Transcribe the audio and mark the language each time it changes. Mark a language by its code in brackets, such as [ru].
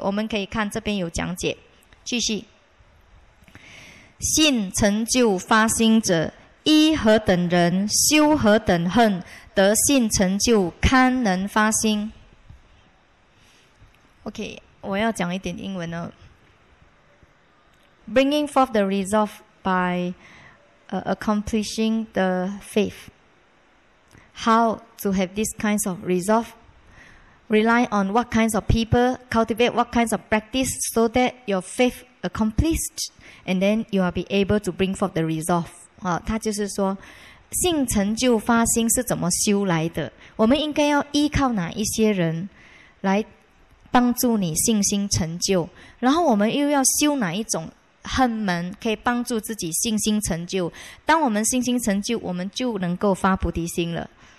[zh] 我们可以看这边有讲解，继续。信成就发心者，依何等人，修何等恨，得信成就，堪能发心。 OK， 我要讲一点英文哦。 [en] Bringing forth the resolve by accomplishing the faith. How to have these kinds of resolve? Rely on what kinds of people, cultivate what kinds of practice so that your faith accomplished and then you will be able to bring forth the resolve. [zh] 他就是说信成就发心是怎么修来的，我们应该要依靠哪一些人来帮助你信心成就，然后我们又要修哪一种恨门可以帮助自己信心成就。当我们信心成就，我们就能够发菩提心了。